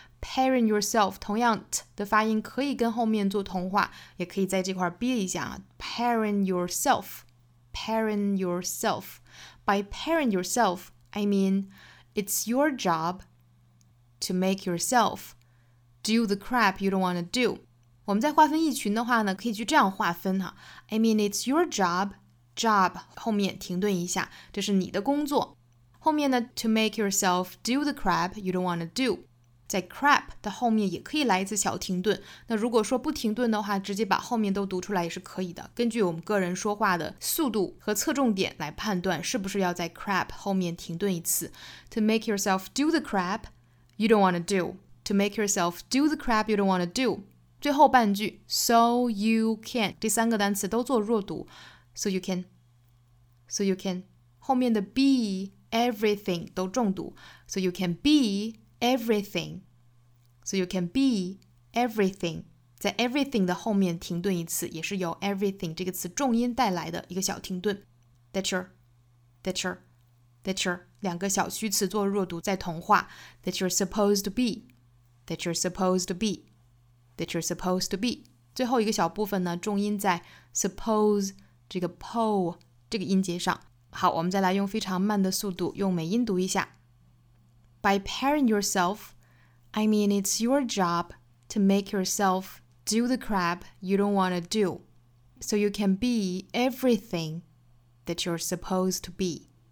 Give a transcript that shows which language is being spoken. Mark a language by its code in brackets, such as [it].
[en] parent yourself, [zh] 同样 t 的发音可以跟后面做同化，也可以在这块憋一下 [en] parent yourself, parent yourself. By parent yourself, I mean it's your job to make yourself do the crap you don't want to do. [zh] 我们在划分一群的话呢，可以去这样划分哈。 [en] I mean it's your job, job [zh] 后面停顿一下，这是你的工作。后面呢 [en] to make yourself do the crap you don't want to do. [zh] 在 crap 的后面也可以来一次小停顿，那如果说不停顿的话，直接把后面都读出来也是可以的，根据我们个人说话的速度和侧重点来判断是不是要在 crap 后面停顿一次。 [en] To make yourself do the crap you don't want to do. To make yourself do the crap you don't want to do. [zh] 最后半句 [en] So you can [zh] 这三个单词都做弱读 [en] So you can So you can [zh] 后面的 [en] be everything [zh] 都重读 [en] So you can beEverything, so you can be everything. [zh] 在 everything 的后面停顿一次，也是由 everything 这个词重音带来的一个小停顿。 [en] That's your, that's your, that's your [zh] 两个小虚词做弱读再同化。 [en] That you're supposed to be, that you're supposed to be, that you're supposed to be. [zh] 最后一个小部分呢，重音在 suppose 这个 po 这个音节上。好，我们再来用非常慢的速度用美音读一下。 [en] By parent yourself, I mean it's your job to make yourself do the crap you don't want to do, so you can be everything that you're supposed to be.